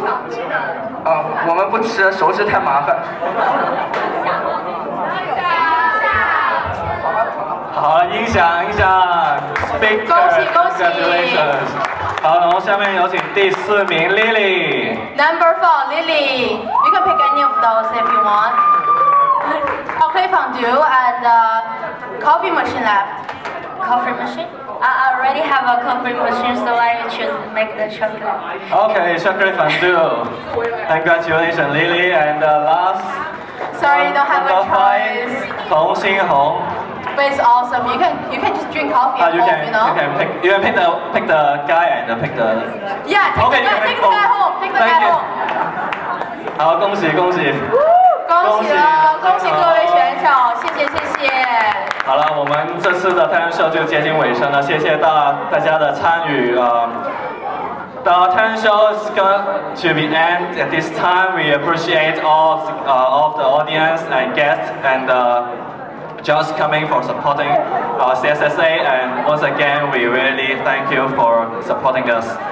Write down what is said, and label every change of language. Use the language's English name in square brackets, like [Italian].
[Chinese] 啊、哦，我们不吃，熟食太麻烦。好，音响 [English] speaker， [Chinese] 恭喜。好，然后下面有请第四名 Lily。 [English] Number four Lily， you can pick any of those if you want. Okay, fondue and coffee machine left. Coffee machine? I already have a coffee machine, so I choose make the chocolate. Okay, chocolate fondue. Congratulations, Lily, and last. Sorry, don't have a choice. [Chinese] 童星红。 [English] But it's awesome. You can just drink coffee at home, you know? You can pick the guy. Yeah, take the guy home. Thank you. [Chinese] 好，恭喜。恭喜各位选手，谢谢。好了，我们这次的talent show就接近尾声了，谢谢大家的参与啊。 [English] The talent show is going to be end at this time. We appreciate all of the audience and guests and just coming for supporting CSSA, and once again we really thank you for supporting us.